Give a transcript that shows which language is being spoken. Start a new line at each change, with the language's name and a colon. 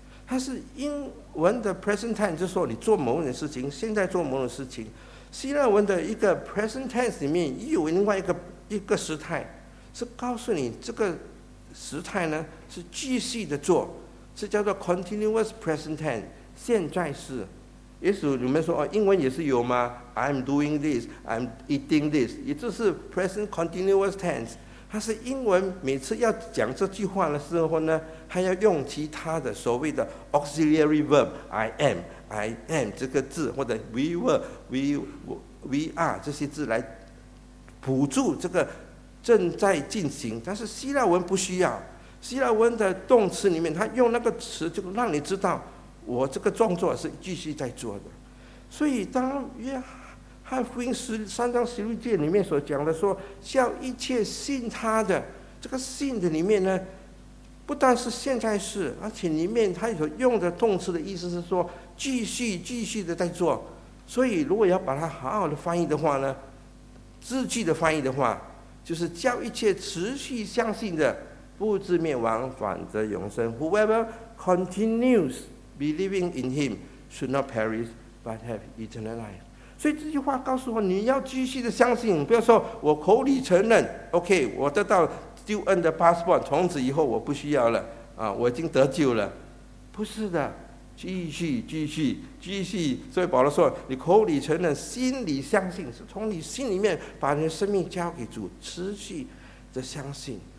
Chinese: 它是英文的 present tense， 就是说你做某种事情，现在做某种事情。希腊文的一个 present tense 里面又有另外一个时态，是告诉你这个时态呢是继续的做，是叫做 continuous present tense， 现在式。也许你们说，哦，英文也是有吗？
English: I'm doing this， I'm eating this，
Chinese: 也就是
English: present continuous tense。
Chinese: 它是英文每次要讲这句话的时候呢，还要用其他的所谓的 auxiliary verb， I am 这个字，或者 we are 这些字来补助这个正在进行。但是希腊文不需要，希腊文的动词里面它用那个词就让你知道我这个动作是继续在做的。所以当约翰福音十三章十六节里面所讲的说叫一切信他的，这个信的里面呢不但是现在式，而且里面它所用的动词的意思是说继续的在做。所以如果要把它好好的翻译的话呢，字句的翻译的话，就是叫一切持续相信的不至灭亡，反得永生。
English: Whoever continues believing in him should not perish but have eternal life。
Chinese: 所以这句话告诉我，你要继续的相信，不要说我口里承认 OK 我得到救恩的 passport， 从此以后我不需要了，我已经得救了，不是的，继续继续继续。所以保罗说，你口里承认，心里相信，是从你心里面把你的生命交给主，持续的相信。